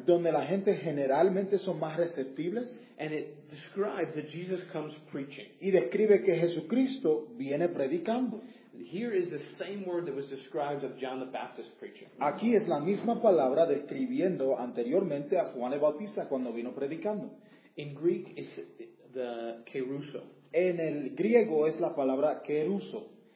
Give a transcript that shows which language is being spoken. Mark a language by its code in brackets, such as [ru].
[es] donde la gente generalmente son más receptibles, [en] and it describes that Jesus comes preaching. [es] Y describe que Jesucristo viene predicando. [en] Here is the same word that was described of John the Baptist preaching. [es] Aquí es la misma palabra describiendo anteriormente a Juan el Bautista cuando vino predicando. [en] In Greek it's the keruso. [es] En el griego es la palabra keruso.